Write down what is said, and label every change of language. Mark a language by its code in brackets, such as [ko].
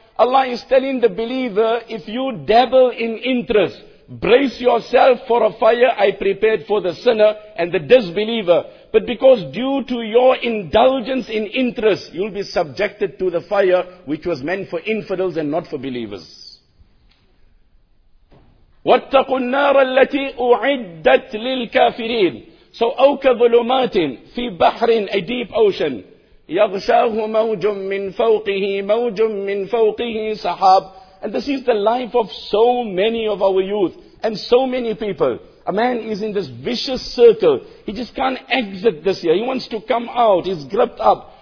[en] Allah is telling the believer, if you dabble in interest, brace yourself for a fire I prepared for the sinner and the disbeliever. But because due to your indulgence in interest, you'll be subjected to the fire which was meant for infidels and not for believers. [ar] وَاتَّقُوا النَّارَ الَّتِي أُعِدَّتْ لِلْكَافِرِينَ [en] So, [ar] أَوْ كَظُلُمَاتٍ فِي بَحْرٍ, [en] a deep ocean. [ar] يَغْشَاهُ مَوْجٌ مِّن فَوْقِهِ مَوْجٌ مِّن فَوْقِهِ سَحَابٍ [en] And this is the life of so many of our youth and so many people. A man is in this vicious circle. He just can't exit this here. He wants to come out. He's gripped up.